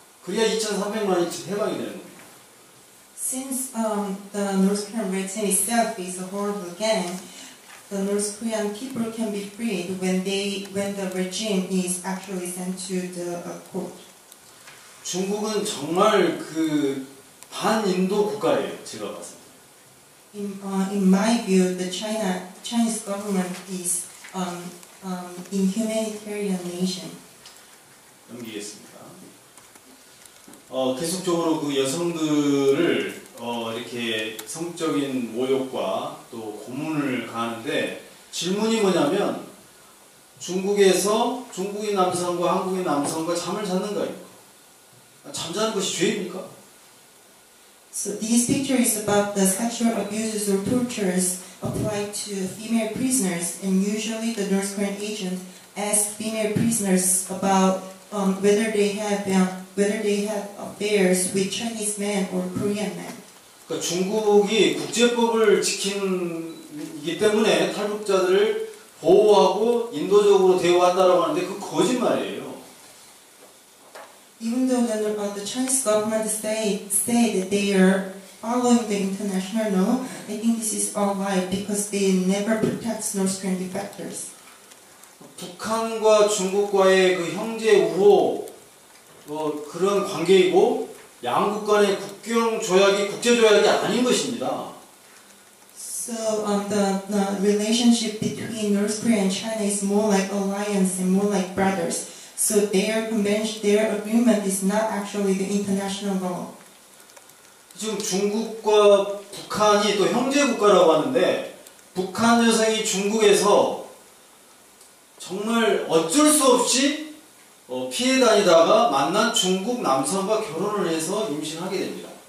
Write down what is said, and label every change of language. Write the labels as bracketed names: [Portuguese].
[Korean] 그래야 2,300만이 해방이 되는 겁니다. [English] Since the North Korean regime itself is a horrible gang, the North Korean people can be freed when the regime is actually sent to the court. [Korean] 중국은 정말 그 반인도 국가예요. 제가 봤을 때. [English] In my view, the Chinese government is inhumanitarian nation. [Korean] 넘기겠습니다. 계속적으로 그 여성들을 이렇게 성적인 모욕과 또 고문을 가하는데 질문이 뭐냐면 중국에서 중국인 남성과 한국인 남성과 잠을 잤는가요? 잠자는 것이 죄입니까? [English] So this picture is about the sexual abuses or tortures applied to female prisoners, and usually the North Korean agent asks female prisoners about whether they have affairs with Chinese men or Korean men. [Korean] 그러니까 중국이 국제법을 지키기 때문에 탈북자들을 보호하고 인도적으로 대우한다라고 하는데 그 거짓말이에요. [English] Even though the Chinese government say that they are following the international law, I think this is all lie because they never protect North Korean defectors. [Korean] 북한과 중국과의 그 형제 우호 그런 관계이고 양국 간의 국경 조약이 국제 조약이 아닌 것입니다. [English] So the relationship between North Korea and China is more like alliance and more like brothers. So their convention, their agreement is not actually the international law. [Korean] 지금 중국과 북한이 또 형제 국가라고 하는데 북한 여성이 중국에서 정말 어쩔 수 없이 피해 다니다가 만난 중국 남성과 결혼을 해서 임신하게 됩니다.